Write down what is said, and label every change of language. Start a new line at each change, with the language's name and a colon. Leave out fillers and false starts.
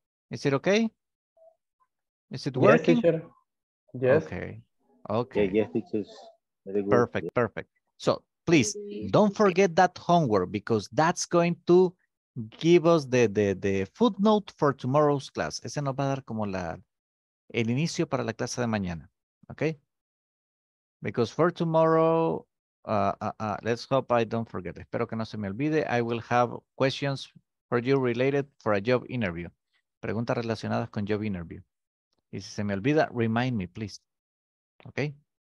English: Is it okay? Is it working? Yes, teacher. Yes. Okay. Yes, teachers. Very good. Perfect. So please don't forget that homework, because that's going to give us the footnote for tomorrow's class.
Spanish: Ese nos va a dar como el inicio para la clase de mañana.
English: Okay? Because for tomorrow, let's hope I don't forget.
Spanish: Espero que no se me olvide.
English: I will have questions for you related for a job interview.
Spanish: Preguntas relacionadas con job interview. Y si se me olvida,
English: remind me, please. Okay?